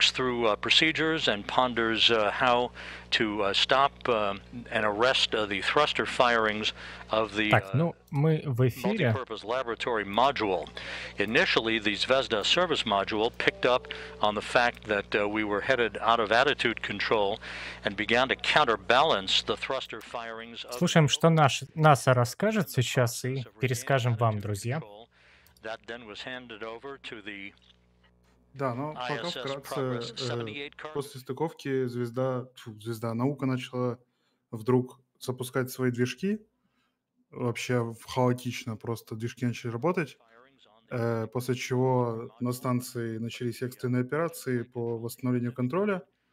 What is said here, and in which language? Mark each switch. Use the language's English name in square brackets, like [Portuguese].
[English] through procedures and ponders how to stop and arrest the thruster firings of the multi-purpose laboratory module. Initially, the Zvezda service module picked up on the fact that we were headed out of attitude control and began to counterbalance the thruster firings of... [Russian] Слушаем, что НАСА расскажет сейчас и перескажем вам, друзья. [English] That then was handed over to the [Russian] да, но пока вкратце, после стыковки звезда наука начала вдруг запускать свои движки, вообще хаотично просто движки начали работать, после чего на станции начались экстренные операции по восстановлению контроля.